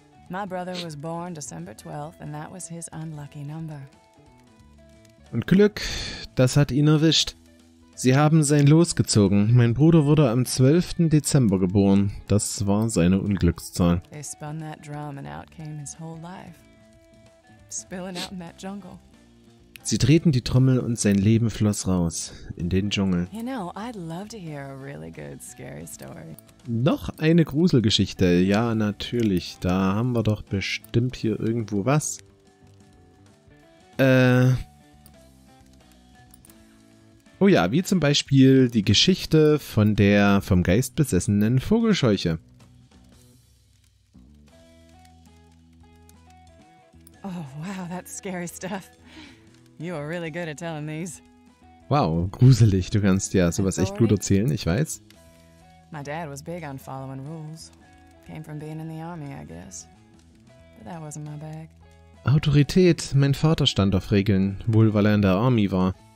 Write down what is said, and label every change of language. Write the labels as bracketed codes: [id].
[en] My brother was born December 12th and that was his unlucky number. [de] Und Glück, das hat ihn erwischt. Sie haben sein Los gezogen. Mein Bruder wurde am 12. Dezember geboren. Das war seine Unglückszahl. [en] They spun that drum and out came his whole life. Spilling out in that jungle. [de] Sie drehten die Trommel und sein Leben floss raus in den Dschungel. [en] You know, I'd love to hear a really good scary story. [de] Noch eine Gruselgeschichte. Ja, natürlich. Da haben wir doch bestimmt hier irgendwo was. Oh ja, wie zum Beispiel die Geschichte von der vom Geist besessenen Vogelscheuche. [en] Oh wow, that's scary stuff. You are really good at telling these. [de] Wow, gruselig. Du kannst ja sowas echt gut erzählen, ich weiß. [en] My dad was big on following rules. Came from being in the army, I guess. But that wasn't my bag. [de] Autorität. Mein Vater stand auf Regeln, wohl weil er in der Army war.